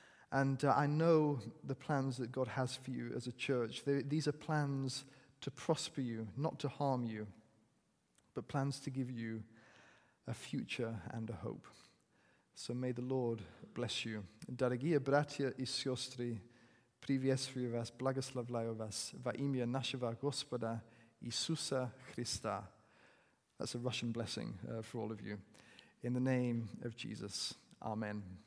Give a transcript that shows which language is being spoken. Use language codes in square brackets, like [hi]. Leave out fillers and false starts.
[en] And I know the plans that God has for you as a church. These are plans to prosper you, not to harm you, but plans to give you a future and a hope. So may the Lord bless you. [ru] Дорогие братья и сестры, приветствую вас, благословляю вас во имя нашего Господа Иисуса Христа. [en] That's a Russian blessing for all of you. In the name of Jesus, Amen.